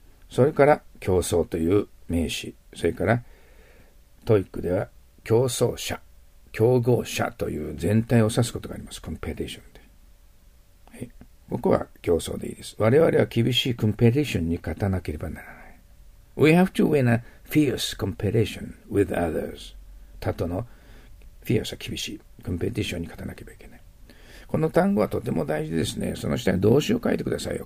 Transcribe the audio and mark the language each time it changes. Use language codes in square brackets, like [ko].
[ja] それから、競争という名詞。それから、トイックでは、競争者、競合者という全体を指すことがあります。コンペティションで。ここは競争でいいです。我々は厳しいコンペティションに勝たなければならない。 [en] We have to win a fierce competition with others. [ja] 他との fierce は厳しい。コンペティションに勝たなければいけない。この単語はとても大事ですね。その下に動詞を書いてくださいよ。